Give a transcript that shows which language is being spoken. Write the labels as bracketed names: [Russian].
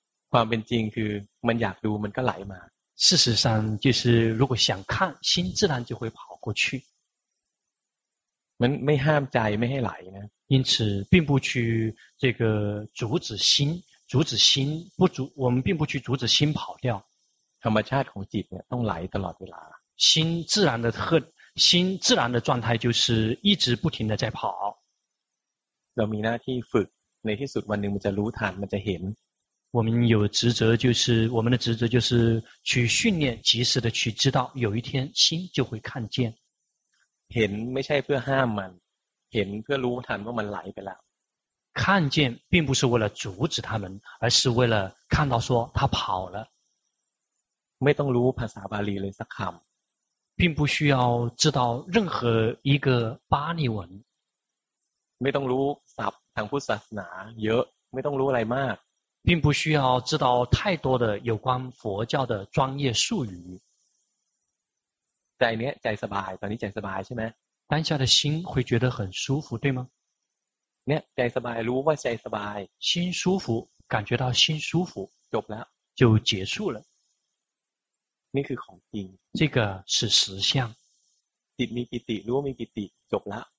[Thai] ความเป็นจริงคือมันอยากดูมันก็ไหลมา [Chinese] 事实上就是如果想看心自然就会跑过去 [Thai] มันไม่ห้ามใจไม่ให้ไหลนะ [Chinese] 因此并不去这个阻止心不阻我们并不去阻止心跑掉 [Thai] ธรรมชาติของจิตเนี่ยต้องไหลตลอดเวลา [Chinese] 心自然的状态就是一直不停的在跑 [Thai] เรามีหน้าที่ฝึกในที่สุดวันหนึ่งมันจะรู้ทันมันจะเห็น [Chinese] 我们的职责就是去训练及时的去知道有一天心就会看见 [Thai] เห็นไม่ใช่เพื่อห้ามมันเห็นเพื่อรู้ทันว่ามันไหลไปแล้ว [Chinese] 看见并不是为了阻止他们而是为了看到说他跑了 [Thai] ไม่ต้องรู้ภาษาบาลีเลยสักคำ [Chinese] 并不需要知道任何一个巴利文 [Thai] ไม่ต้องรู้ศัพท์ทางพุทธศาสนาเยอะไม่ต้องรู้อะไรมาก [Chinese] 并不需要知道太多的有关佛教的专业术语 [Thai] ใจเนี้ยใจสบายตอนนี้ใจสบายใช่ไหม [Chinese] 当下的心会觉得很舒服对吗 [Thai] เนี้ยใจสบายรู้ว่าใจสบาย [Chinese] 心舒服感觉到心舒服 [Thai] จบแล้ว [Chinese] 就结束了 [Thai] นี่คือของจริง [Chinese] 这个是实相 [Thai] จิตมีกิติรู้ว่ามีกิติจบแล้ว